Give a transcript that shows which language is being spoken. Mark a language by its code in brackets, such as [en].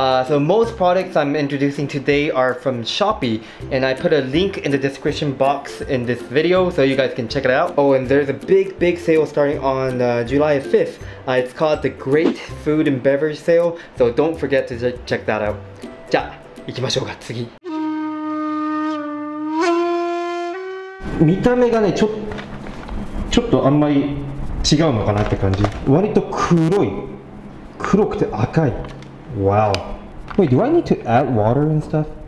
[en] So most products I'm introducing today are from Shopee, and I put a link in the description box in this video so you guys can check it out. Oh, and there's a big sale starting on July 5th. It's called the Great Food and Beverage Sale, so don't forget to check that out. [ja] じゃ、行きましょうか、次。見た目がね、ちょっとあんまり違うのかなって感じ。割と黒い。黒くて赤い。Wow. [en] Wait, do I need to add water and stuff?